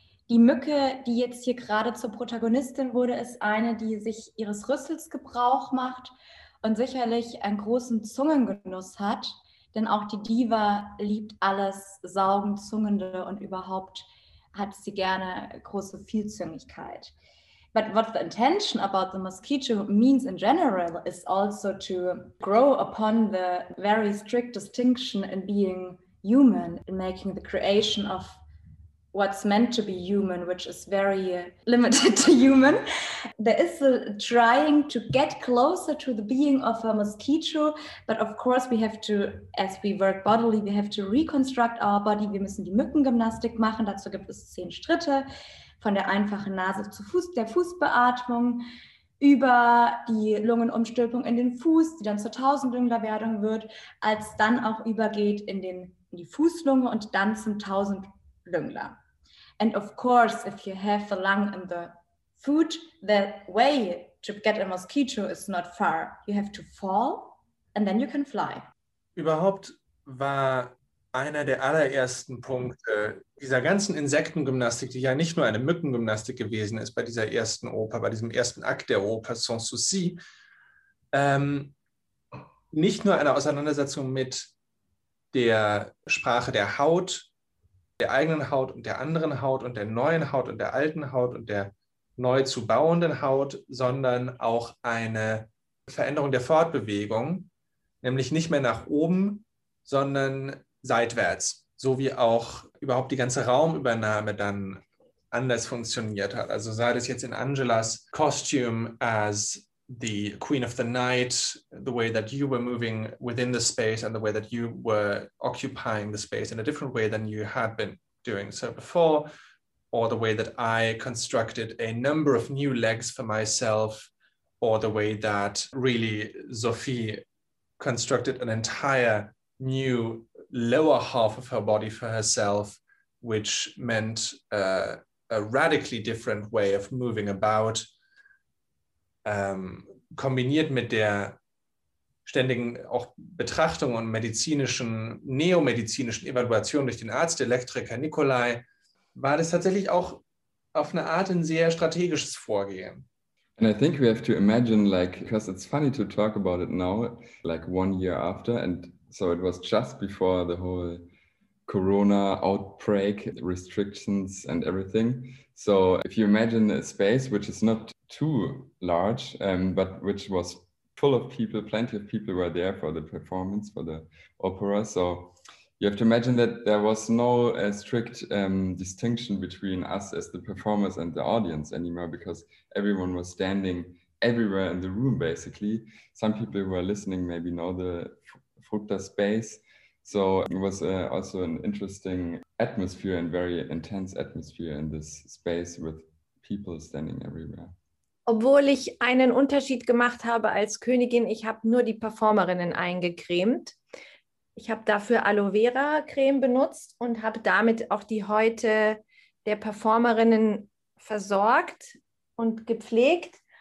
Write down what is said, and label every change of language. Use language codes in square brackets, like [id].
[de] Die Mücke, die jetzt hier gerade zur Protagonistin wurde, ist eine, die sich ihres Rüssels Gebrauch macht und sicherlich einen großen Zungengenuss hat. Denn auch die Diva liebt alles Saugen, Zungende und überhaupt hat sie gerne große Vielzüngigkeit. [en] But what the intention about the mosquito means in general is also to grow upon the very strict distinction in being human, in making the creation of what's meant to be human, which is very limited to human. There is a trying to get closer to the being of a mosquito, but of course we have to, as we work bodily, we have to reconstruct our body. [de] Wir müssen die Mückengymnastik machen. Dazu gibt es 10 Schritte von der einfachen Nase zu Fuß, der Fußbeatmung über die Lungenumstülpung in den Fuß, die dann zur Tausendlünglerwerdung wird, als dann auch übergeht in die Fußlunge und dann zum Tausendlüngler. [en] And of course, if you have the lung in the foot, the way to get a mosquito is not far. You have to fall and then you can fly. [de] Überhaupt war einer der allerersten Punkte dieser ganzen Insektengymnastik, die ja nicht nur eine Mückengymnastik gewesen ist bei dieser ersten Oper, bei diesem ersten Akt der Oper Sans Souci, nicht nur eine Auseinandersetzung mit der Sprache der Haut, der eigenen Haut und der anderen Haut und der neuen Haut und der alten Haut und der neu zu bauenden Haut, sondern auch eine Veränderung der Fortbewegung, nämlich nicht mehr nach oben, sondern seitwärts, so wie auch überhaupt die ganze Raumübernahme dann anders funktioniert hat. Also sei das jetzt in [en] Angelas Costume as the Queen of the Night, the way that you were moving within the space and the way that you were occupying the space in a different way than you had been doing so before, or the way that I constructed a number of new legs for myself, or the way that really Sophie constructed an entire new lower half of her body for herself, which meant a radically different way of moving about. [de] Kombiniert mit der ständigen auch Betrachtung und medizinischen, neomedizinischen Evaluation durch den Arzt, Elektriker Nikolai, war das tatsächlich auch auf eine Art ein sehr strategisches Vorgehen. [en] And I think we have to imagine, like, because it's funny to talk about it now, like 1 year after, and so it was just before the whole Corona outbreak, restrictions and everything. So if you imagine a space which is not too large, but which was full of people, plenty of people were there for the performance, for the opera. So you have to imagine that there was no strict distinction between us as the performers and the audience anymore, because everyone was standing everywhere in the room, basically. Some people who are listening maybe know the Fructa space. So it was also an interesting atmosphere and very intense atmosphere in this space with people standing everywhere. [de] Obwohl ich einen Unterschied gemacht habe als Königin, ich habe nur die Performerinnen eingecremt. Ich habe dafür Aloe Vera Creme benutzt und habe damit auch die Häute der Performerinnen versorgt und gepflegt.